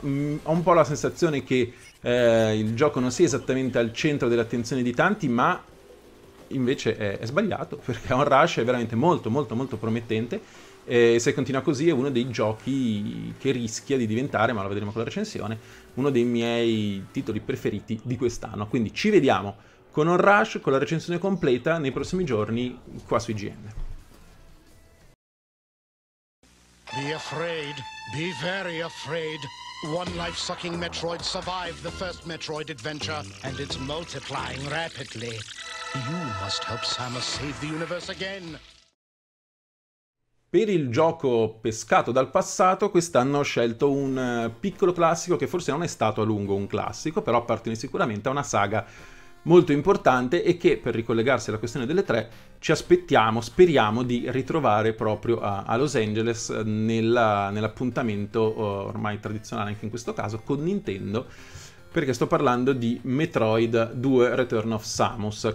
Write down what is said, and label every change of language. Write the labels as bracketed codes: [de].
[it] Ho un po' la sensazione che il gioco non sia esattamente al centro dell'attenzione di tanti, ma invece è sbagliato, perché Onrush è veramente molto molto molto promettente, e se continua così è uno dei giochi che rischia di diventare, ma lo vedremo con la recensione, uno dei miei titoli preferiti di quest'anno. Quindi ci vediamo con Onrush, con la recensione completa, nei prossimi giorni qua su IGN. [en] Be afraid, be very afraid. One life-sucking Metroid survived the first Metroid adventure, and it's multiplying rapidly. You must help Samus save the universe again. [it] Per il gioco pescato dal passato, quest'anno ho scelto un piccolo classico che forse non è stato a lungo un classico, però appartiene sicuramente a una saga molto importante e che, per ricollegarsi alla questione delle tre, ci aspettiamo, speriamo di ritrovare proprio a Los Angeles nell'appuntamento ormai tradizionale anche in questo caso con Nintendo, perché sto parlando di Metroid 2 Return of Samus.